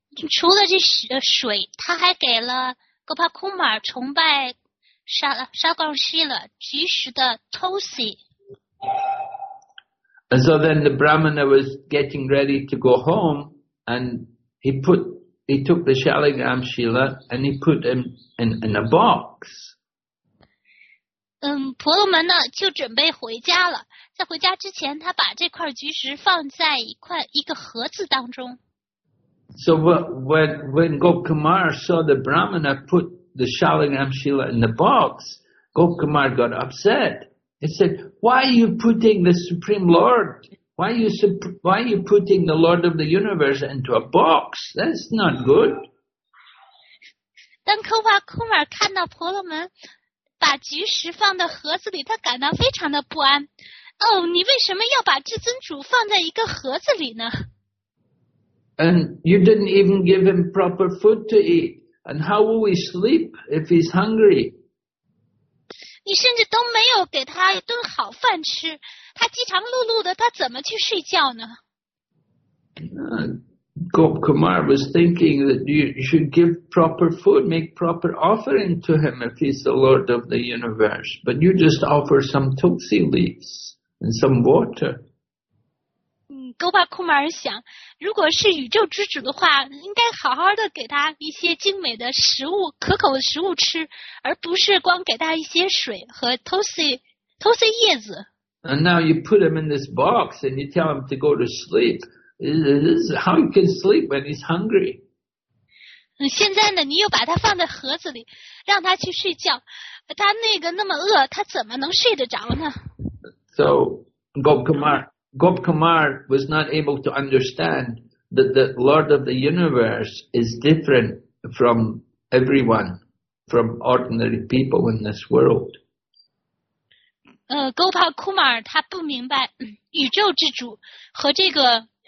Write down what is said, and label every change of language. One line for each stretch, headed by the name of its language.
Chinese: 除了这水，他还给了 Gopakumar 崇拜沙冈西勒菊石的 tulsi.
English: And so then the Brahmana was getting ready to go home, and he took the Shalagram Shila and he put him in a box.
Chinese: 婆罗门呢就准备回家了，在回家之前他把这块菊石放在一个盒子当中。
English: So when Gokumar saw the Brahmana put the Shalagram Shila in the box, Gokumar got upset. He said, why are you putting the Supreme Lord, why are you putting the Lord of the Universe into a box? That's not good.
Chinese: 当库马看到婆罗门把菊石放到盒子里，他感到非常的不安。哦，你为什么要把至尊主放在一个盒子里呢？
English: And you didn't even give him proper food to eat. And how will he sleep if he's hungry?
Chinese: 你甚至都没有给他一顿好饭吃，他饥肠辘辘的，他怎么去睡觉呢？
English: Gopakumar was thinking that you should give proper food, make proper offering to him if he's the Lord of the universe. But you just offer some tulsi leaves and some water.
Chinese: Gopakumar 想，如果是宇宙之主的话，应该好好的给他一些精美的食物，可口的食物吃，而不是光给他一些水和tulsi叶子。
English: And now you put him in this box and you tell him to go to sleep. This is how he can sleep when he's hungry.
Chinese: 现在呢，你又把他放在盒子里，让他去睡觉。他那个那么饿，他怎么能睡得着呢？
English: So Gopakumar was not able to understand that the Lord of the Universe is different from everyone, from ordinary people in this world.
Chinese: Gopakumar 他不明白宇宙之主和这个。